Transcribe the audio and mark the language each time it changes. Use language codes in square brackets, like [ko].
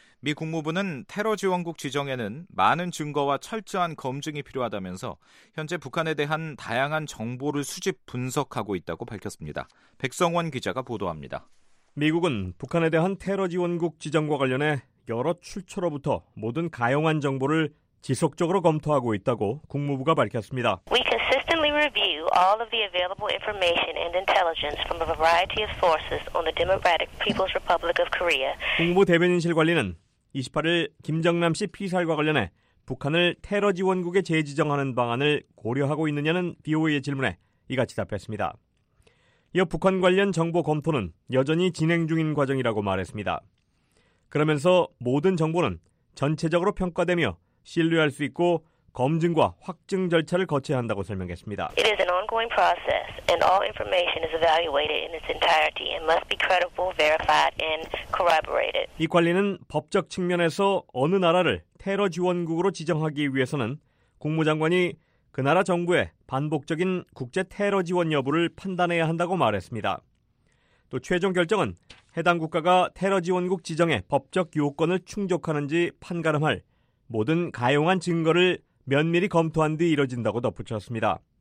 [ko] 미 국무부는 테러 지원국 지정에는 많은 증거와 철저한 검증이 필요하다면서 현재 북한에 대한 다양한 정보를 수집 분석하고 있다고 밝혔습니다. 백성원 기자가 보도합니다. 미국은 북한에 대한 테러 지원국 지정과 관련해 여러 출처로부터 모든 가용한 정보를 지속적으로 검토하고 있다고 국무부가 밝혔습니다. [en] We consistently review all of the available information and intelligence from a variety of sources on the Democratic People's Republic of Korea. [ko] 국무부 대변인실 관리는 28일 김정남 씨 피살과 관련해 북한을 테러 지원국에 재지정하는 방안을 고려하고 있느냐는 BOA의 질문에 이같이 답했습니다. 이어 북한 관련 정보 검토는 여전히 진행 중인 과정이라고 말했습니다. 그러면서 모든 정보는 전체적으로 평가되며 신뢰할 수 있고 검증과 확증 절차를 거쳐야 한다고 설명했습니다. [en] It is an ongoing process and all information is evaluated in its entirety and must be credible, verified and corroborated. [ko] 이 관리는 법적 측면에서 어느 나라를 테러 지원국으로 지정하기 위해서는 국무장관이 그 나라 정부의 반복적인 국제 테러 지원 여부를 판단해야 한다고 말했습니다. 또 최종 결정은 해당 국가가 테러 지원국 지정의 법적 요건을 충족하는지 판가름할 모든 가용한 증거를 면밀히 검토한 뒤 이뤄진다고 덧붙였습니다.